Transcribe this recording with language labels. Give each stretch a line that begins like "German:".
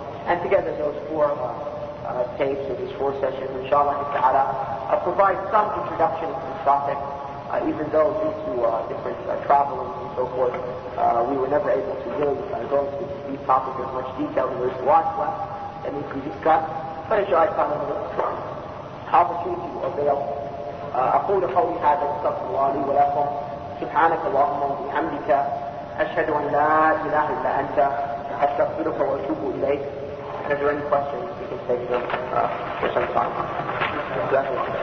English: And together, those four tapes or these four sessions, inshallah ta'ala, provide some introduction to this topic. Even though due to different travels and so forth, we were never able to really go into these topics in much detail. There's a lot left that needs to be discussed. But inshallah, I found another opportunity to avail.
Arabic: أقول قولي هذا استغفر الله لي ولكم سبحانك اللهم وبحمدك أشهد أن لا إله إلا أنت أستغفرك وأتوب إليك.
English: And if there are any questions, we can take them for some time. Exactly.